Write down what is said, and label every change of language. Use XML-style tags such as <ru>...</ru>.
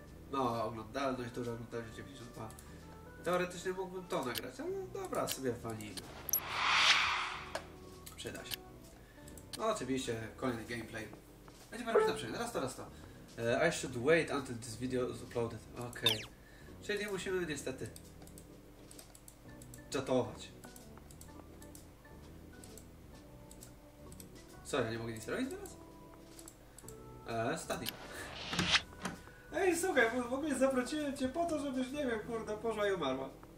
<pl>No, oglądalność, duża oglądalność 92. Teoretycznie mógłbym to nagrać, ale dobra, sobie walimy. Przyda się. No oczywiście, kolejny gameplay. Będziemy robić na przykład, raz to.</pl> <en>I should wait until this video is uploaded.</en> <pl>Okej. Okay. Czyli musimy niestety czatować. Co, ja nie mogę nic zrobić teraz? Study. Ej, słuchaj, w ogóle zaprosiłem cię po to, żebyś, nie wiem, kurde, poszła i umarła.</pl>